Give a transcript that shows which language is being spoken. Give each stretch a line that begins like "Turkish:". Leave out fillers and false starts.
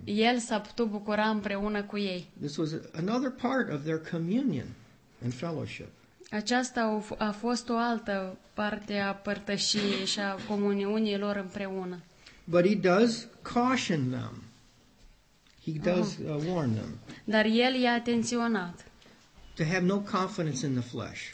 Romanian: El s-a putut bucura împreună cu ei.
English: This was another part of their communion and fellowship.
Romanian: Aceasta a fost o altă parte a părtășiei și a comuniunii lor împreună.
English: But he does caution them. He does warn them.
Romanian: Dar el i-a atenționat.
English: To have no confidence in the flesh.